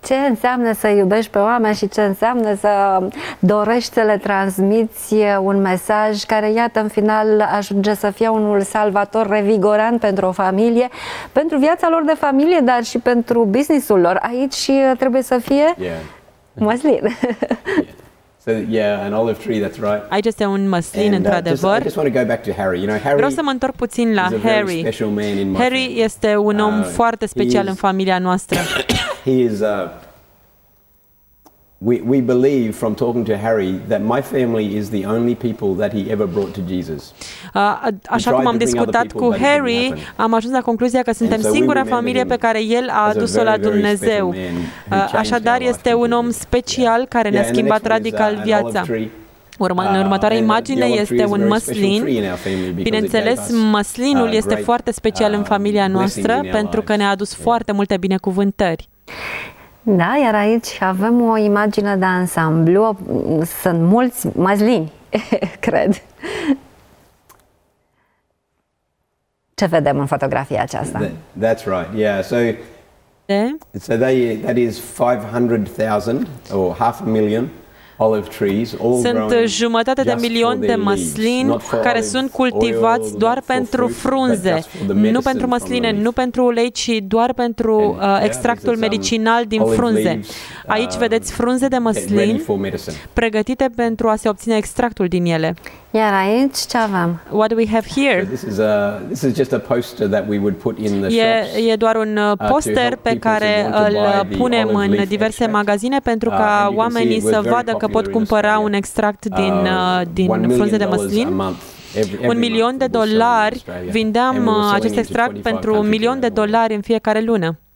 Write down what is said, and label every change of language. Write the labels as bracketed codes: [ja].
[ro] Ce înseamnă să iubești pe oameni și ce înseamnă să dorești să le transmiți un mesaj care, iată, în final ajunge să fie unul salvator, revigorant pentru o familie, pentru viața lor de familie, dar și pentru business-ul lor. Aici și trebuie să fie măslin. [en] An olive tree, that's right. [ro] Aici este un măslin, [en] and, [ro] într-adevăr. [en] I just want to go back to Harry. You know, Harry. [ro] Vreau să mă întorc puțin la Harry. Harry este un om foarte special în familia noastră. [en] He is we believe from talking to Harry that my family is the only people that he ever brought to Jesus. [ro] Așa cum am discutat cu Harry, am ajuns la concluzia că suntem singura familie pe care el a adus-o la Dumnezeu. Așadar, este un om special care ne-a schimbat radical viața. În următoarea imagine este un măslin. Bineînțeles, măslinul este foarte special în familia noastră pentru că ne-a adus foarte multe binecuvântări. Da, iar aici avem o imagine de ansamblu, sunt mulți măslini, cred. Ce vedem în fotografia aceasta? [en] That's right. Yeah, so that is 500,000 or 500,000 olive trees all grown. [ro] Sunt jumătate de milion de măslini care sunt cultivați doar pentru frunze, nu pentru măsline, nu pentru ulei, ci doar pentru extractul medicinal din frunze. Aici vedeți frunze de măslin pregătite pentru a se obține extractul din ele. Iar aici ce avem? [en] What do we have here? This is just a poster that we would put in the shops. [ro] E doar un poster pe care îl punem în diverse magazine pentru ca oamenii să vadă că pot cumpăra un extract din frunze de măslin. $1,000,000 vindeam acest extract pentru $1,000,000 în fiecare lună.